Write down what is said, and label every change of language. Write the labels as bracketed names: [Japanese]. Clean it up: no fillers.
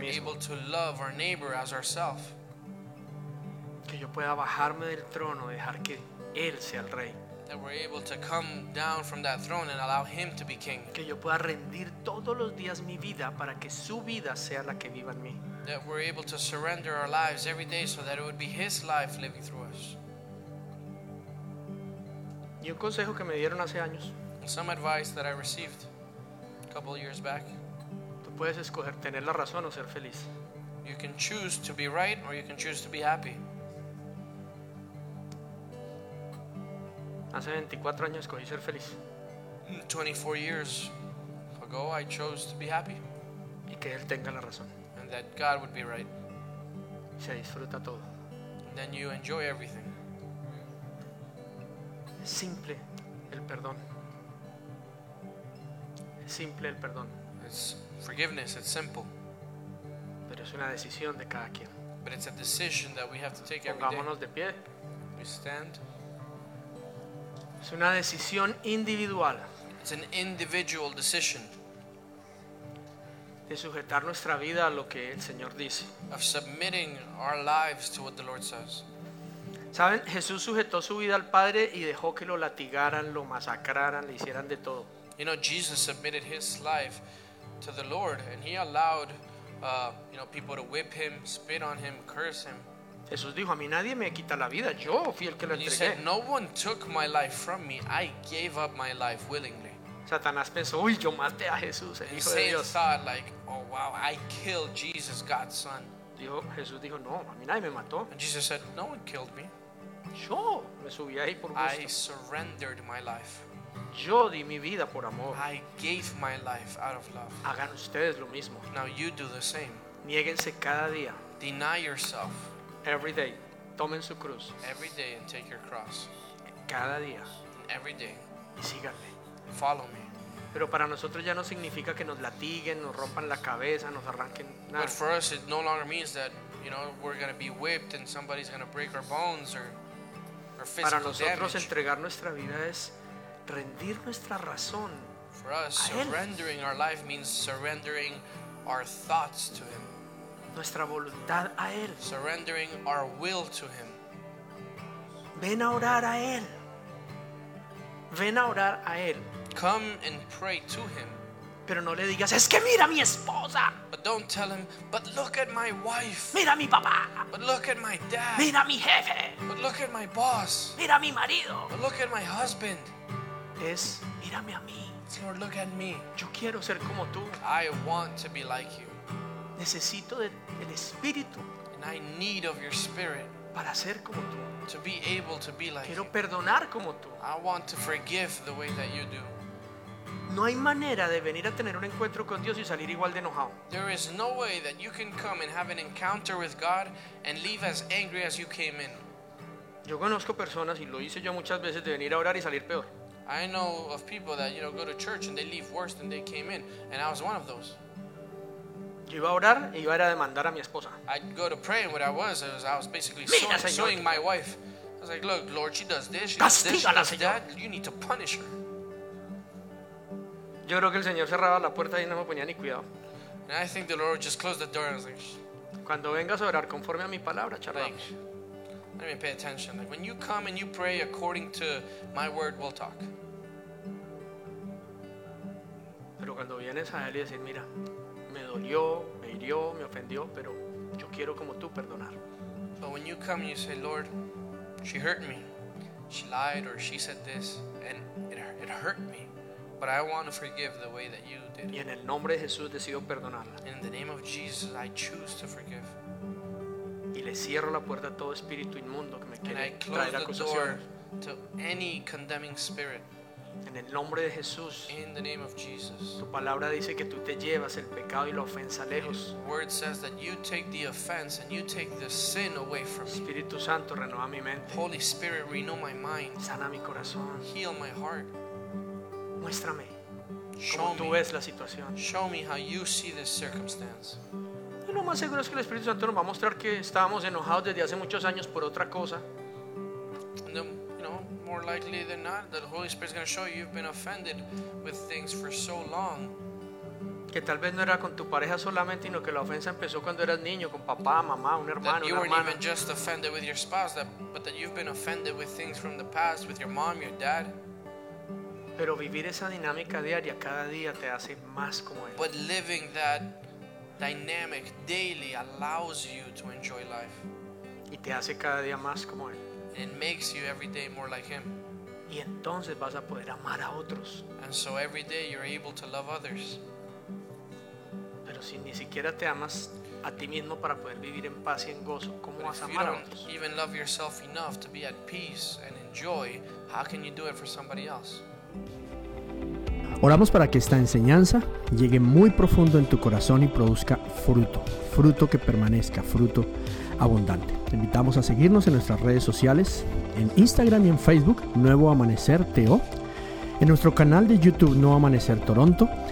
[English] That we're able to love our neighbor as ourselves. [Spanish] Que yo pueda bajarme del trono y dejar que él sea el rey. [English] That we're able to come down from that throne and allow him to be king. [Spanish] Que yo pueda rendir todos los días mi vida para que su vida sea la que viva en mí. [English] That we're able to surrender our lives every day so that it would be his life living through us. [Spanish] Y un consejo que me dieron hace años. [English] Some advice that I received a couple of years back. [Spanish] Tú puedes escoger tener la razón o ser feliz. [English] You can choose to be right or you can choose to be happy. [Spanish] Hace 24 años escogí ser feliz. [English] 24 years ago I chose to be happy. [Spanish] Y que él tenga la razón. [English] And that God would be right. [Spanish] Se disfruta todo. [English] And then you enjoy everything. [Spanish] Es simple el perdón. Es simple el perdón. [English] It's forgiveness, it's simple. [Spanish] Pero es una decisión de cada quien. [English] But it's a decision that we have to take every day. [Spanish] Pongámonos de pie. [English] We stand. [Spanish] Es una decisión individual. [English] It's an individual decision. [Spanish] De sujetar nuestra vida a lo que el Señor dice. [English] Of submitting our lives to what the Lord says. [Spanish] ¿Saben? Jesús sujetó su vida al Padre y dejó que lo latigaran, lo masacraran, le hicieran de todo. [English] You know, Jesus submitted his life to the Lord and he allowed people to whip him, spit on him, curse him. [Spanish] Jesús dijo, a mí nadie me quita la vida, yo fui el que lo entregué. [English] He said, no one took my life from me, I gave up my life willingly. [Spanish] Satanás pensó, uy, yo maté a Jesús, el Hijo de Dios. [English] Satan thought like, oh wow, I killed Jesus, God's son. [Spanish] Dijo, Jesús dijo, no, a mí nadie me mató. [English] And Jesus said, no one killed me. [Spanish] Yo me subí ahí por gusto. [English] I surrendered my life. [Spanish] Yo di mi vida por amor. [English] I gave my life out of love. [Spanish] Hagan ustedes lo mismo. [English] Now you do the same. [Spanish] Niéguense cada día. [English] Deny yourself. Every day. [Spanish] Tomen su cruz. [English] Every day and take your cross. [Spanish] Cada día. [English] Every day. [Spanish] Y síganme. [English] Follow me. [Spanish] Pero para nosotros ya no significa que nos latiguen, nos rompan la cabeza, nos arranquen nada. [English] But for us it no longer means that, you know, we're going to be whipped and somebody's going to break our bones or physical. [Spanish] Para nosotros [English] damage. [Spanish] Entregar nuestra vida es rendir nuestra razón. [English] For us, surrendering our life means surrendering our thoughts to him. [Spanish] Nuestra voluntad a él. [English] Surrendering our will to him. [Spanish] Ven a orar a él. Ven a orar a él. [English] Come and pray to him. [Spanish] Pero no le digas, es que mira mi esposa. [English] But don't tell him, but look at my wife. [Spanish] Mira mi papá. [English] But look at my dad. [Spanish] Mira mi jefe. [English] But look at my boss. [Spanish] Mira mi marido. [English] But look at my husband. [Spanish] Es mírame a mí. [English] Lord, look at me. [Spanish] Yo quiero ser como tú. [English] I want to be like you. [Spanish] Necesito del Espíritu. [English] And I need of your spirit. [Spanish] Para ser como tú. [English] To be able to be like. [Spanish] Quiero perdonar [English] you. [Spanish] Como tú. [English] I want to forgive the way that you do. [Spanish] No hay manera de venir a tener un encuentro con Dios y salir igual de enojado. [English] There is no way that you can come and have an encounter with God and leave as angry as you came in. [Spanish] Yo conozco personas y lo hice yo muchas veces de venir a orar y salir peor. [English] I know of people that, you know, go to church and they leave worse than they came in, and I was one of those. [Spanish] Yo iba a orar y iba a ir a demandar a mi esposa. [English] I'd go to pray, and what I was basically suing my wife. I was like, look, Lord, she does this, she does this, she does that. You need to punish her. [Spanish] Yo creo que el Señor cerraba la puerta y no me ponía ni cuidado. [English] And I think the Lord just closed the door and was like, [Spanish] cuando vengas a orar conforme a mi palabra, charlamos. [English] Let me pay attention. Like, when you come and you pray according to my word, we'll talk. [Spanish] Pero cuando vienes a él y decir, mira, me dolió, me hirió, me ofendió, pero yo quiero como tú perdonar. [English] But when you come and you say, Lord, she hurt me. She lied or she said this and it hurt me. But I want to forgive the way that you did. [Spanish] Y en el nombre de Jesús decido perdonarla. [English] In the name of Jesus, I choose to forgive. [Spanish] Y le cierro la puerta a todo espíritu inmundo que me quiere traer acusaciones. [English] And I close the door to any condemning spirit. [Spanish] En el nombre de Jesús. [English] In the name of Jesus. [Spanish] Tu palabra dice que tú te llevas el pecado y la ofensa lejos. [English] The word says that you take the offense and you take the sin away from me. [Spanish] Espíritu Santo, renueva mi mente. [English] Holy Spirit, renew my mind. [Spanish] Sana mi corazón. [English] Heal my heart. [Spanish] Muéstrame. [English] Show [Spanish] cómo tú ves la situación. [English] Show me how you see this circumstance. [Spanish] Lo más seguro es que el Espíritu Santo nos va a mostrar que estábamos enojados desde hace muchos años por otra cosa. [English] And then, you know, more likely than not the Holy Spirit is going to show you you've been offended with things for so long. [Spanish] Que tal vez no era con tu pareja solamente, sino que la ofensa empezó cuando eras niño, con papá, mamá, un hermano, una hermana. [English] That you weren't even just offended with your spouse, but that you've been offended with things from the past, with your mom, your dad. [Spanish] Pero vivir esa dinámica diaria cada día te hace más como él. [English] But living that dynamic daily allows you to enjoy life. [Spanish] Y te hace cada día más como él. [English] It makes you every day more like him. [Spanish] Y entonces vas a poder amar a otros. [English] And so every day you're able to love others. [Spanish] Si ni siquiera te amas a ti mismo para poder vivir en paz y en gozo, ¿cómo vas a amar a otros? [English] Even love yourself enough to be at peace and enjoy, how can you do it for somebody else? [Spanish] Oramos para que esta enseñanza llegue muy profundo en tu corazón y produzca fruto, fruto que permanezca, fruto abundante. Te invitamos a seguirnos en nuestras redes sociales, en Instagram y en Facebook, Nuevo Amanecer TO, en nuestro canal de YouTube Nuevo Amanecer Toronto.